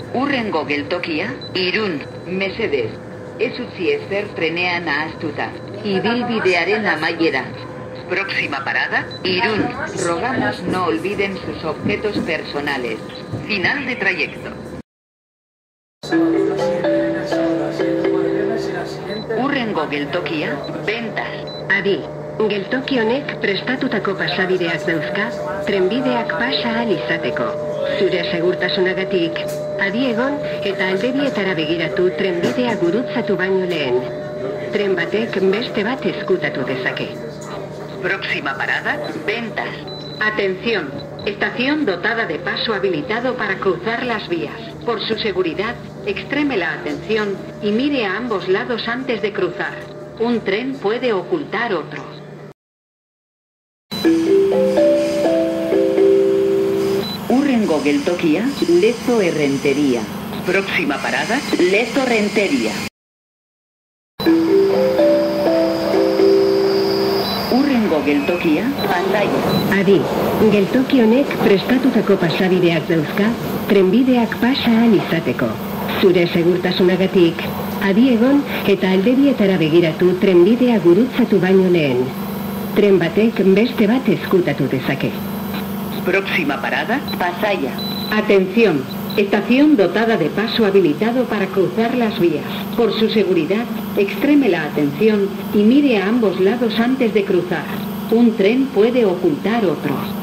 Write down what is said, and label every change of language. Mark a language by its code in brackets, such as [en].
[eu] Trengo geltokia, Irun, mesedez, ez utzi ezer trenean ahaztuta. Ibilbidearen amaiera. [es] Próxima parada, Irun. Rogamos no olviden sus objetos personales. Final de trayecto. [eu] Urrengo geltokia, ventas. Adi, geltoki honek prestatutako pasabideak dauzka, trenbideak pasa ahal izateko. Zure segurtasunagatik, adi egon eta aldebietara begiratu trenbidea gurutzatu baino lehen. Tren batek beste bat ezkutatu dezake. [es] Próxima parada, ventas. Atención, estación dotada de paso habilitado para cruzar las vías. Por su seguridad, extreme la atención y mire a ambos lados antes de cruzar. Un tren puede ocultar otro. [eu] Urrengo geltokia, Lezo Errenteria. [es] Próxima parada, [eu] Lezo Errenteria. Geltokia, Adi, geltoki honek prestatutako pasabideak dauzka, trenbideak pasa ahal izateko. Zure segurtasunagatik, adi egon eta aldebietara begiratu trenbidea gurutzatu baino lehen. Tren batek beste bat ezkutatu dezake. [es] Próxima parada, Pasaia. Atención, estación dotada de paso habilitado para cruzar las vías. Por su seguridad, extreme la atención y mire a ambos lados antes de cruzar. Un tren puede ocultar otro.